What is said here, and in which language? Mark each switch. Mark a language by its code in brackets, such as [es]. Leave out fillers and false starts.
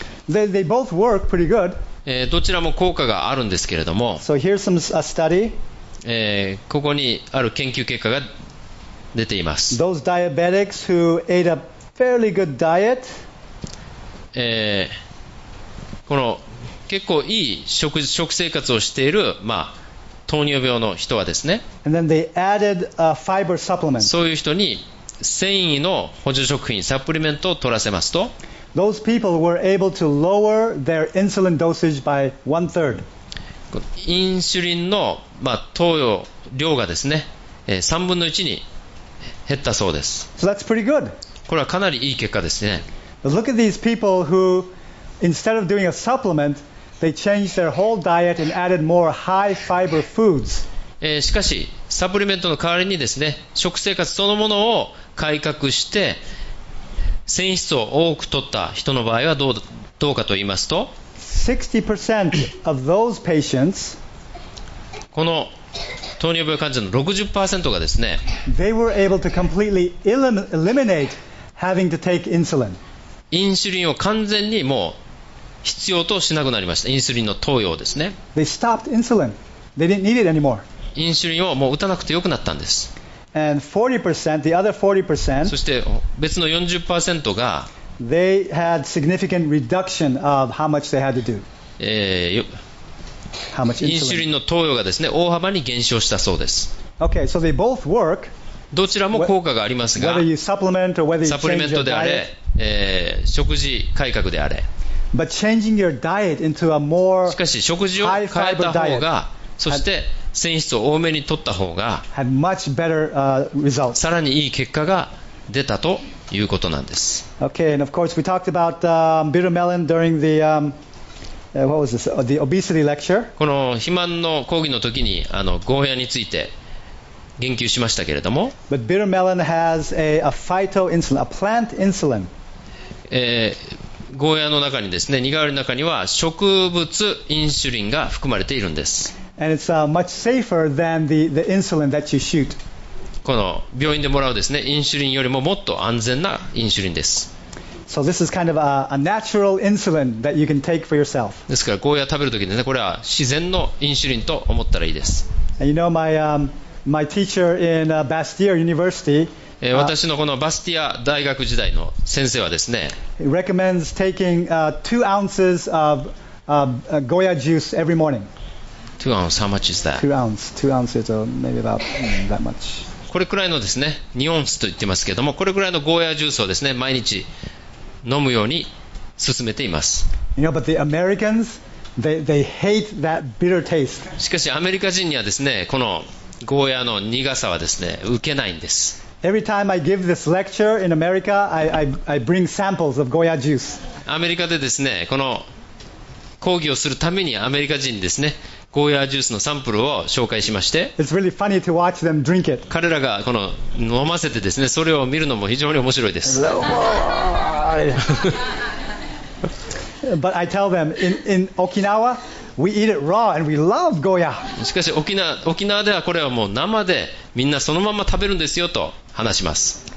[en] They both work pretty good. [ja] どちらも効果があるんですけれども、 [en] so here's some, a study. [ja] ここにある研究結果が出ています。 [en] Those diabetics who ate a fairly good diet. [ja] この結構いい 食生活をしている、まあ、糖尿病の人はですね、 [en] and then they added a fiber supplement. [ja] そういう人に繊維の補助食品、サプリメントを取らせますと、 [en] those people were able to lower their insulin dosage by one third. [ja] インスリンの、まあ、投与量がですね、3分の1に減ったそうです。 [en] So that's pretty good. [ja] これはかなりいい結果ですね。 [en] But look at these people who, instead of doing a supplement, they changed their whole diet and added more high fiber foods. [ja] しかし、サプリメントの代わりにですね、食生活そのものを改革して、繊維質を多く取った人の場合はどうかと言いますと、 [en] 60% of those patients, [ja] この糖尿病患者の 60% がですね、 [en] they were able to completely eliminate having to take insulin. [ja] インスリンを完全にもう必要としなくなりました。インスリンの投与ですね。 [en] They stopped insulin. They didn't need it anymore. [ja] インスリンをもう打たなくてよくなったんです。 [en] And 40%, the other 40%, [ja] そして別の 40% が、 [en] they had significant reduction of how much they had to do. How much insulin. [ja] インスリンの投与がですね、大幅に減少したそうです。 [en] Okay, so they both work. [ja] どちらも効果がありますが、 [en] whether you supplement or whether you change your diet, [ja] サプリメントであれ、食事改革であれ、 [en] But changing your diet into a more [ja] しかし食事を変えた方が、そして繊維質を多めに取った方が、 [en] had much better, results. [ja] さらにいい結果が出たということなんです。 [en] Okay, and of course we talked about, bitter melon during the, what was this? The obesity lecture. [ja] この肥満の講義の時にあのゴーヤについて言及しましたけれども、 [en] But bitter melon has a phytoinsulin, a plant insulin. [ja] ゴーヤの中にですね、苦がわりの中には植物インスリンが含まれているんです。 [en] And it's much safer than the insulin that you shoot. [ja] この病院でもらうですね、インスリンよりももっと安全なインスリンです。 [en] So this is kind of a natural insulin that you can take for yourself. [ja] ですからゴーヤ食べるときにね、これは自然のインスリンと思ったらいいです。 [en] And you know my, my teacher in Bastia University. [ja] 私のこのバスティア大学時代の先生はですね、 [en] recommends taking 2 ounces of Goya juice every morning. 2 ounces, how much is that? 2 ounces. 2 ounces is maybe about that much. [ja] これくらいのですね、2オンスと言ってますけれども、これくらいのゴーヤジュースをですね、毎日飲むように勧めています。 [en] You know, but the Americans, they hate that bitter taste. [ja] しかしアメリカ人にはですね、このゴーヤの苦さはですね、受けないんです。 [en] Every time I give this lecture in America, I bring samples of goya juice. [ja] アメリカでですね、この講義をするためにアメリカ人にですね、ゴーヤージュースのサンプルを紹介しまして、 [en] It's really funny to watch them drink it. [ja] 彼らがこの飲ませてですね、それを見るのも非常に面白いです。 [en] But I tell them, in Okinawa, we eat it raw and we love goya. [ja] しかし沖縄ではこれはもう生でみんなそのまま食べるんですよと話します。